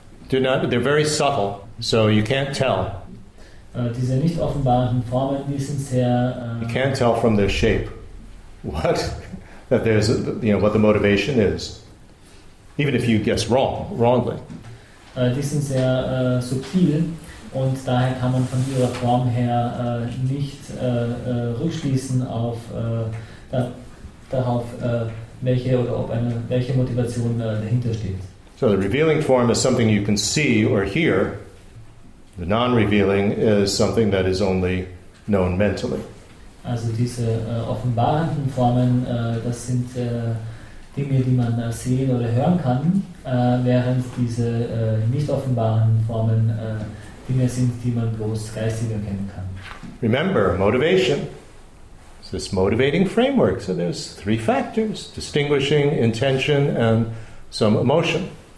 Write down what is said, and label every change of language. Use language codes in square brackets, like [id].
[en] Do not, they're very subtle, so you can't tell. [de] Diese nicht offenbarenden Formen, die sind sehr... [en] You can't tell from their shape what that there's a, you know, what the motivation is, even if you guess wrongly. [de] Die sind sehr subtil und daher kann man von ihrer Form her nicht rückschließen auf darauf, welche oder ob eine welche Motivation dahinter steht. [en] So the revealing form is something you can see or hear. The non-revealing is something that is only known mentally. [de] Also diese offenbarenden Formen, das sind Dinge, die man sehen oder hören kann, während diese nicht offenbaren Formen Dinge sind, die man bloß geistig erkennen kann. [en] Remember, motivation. It's this motivating framework. So there's three factors: distinguishing, intention, and some emotion.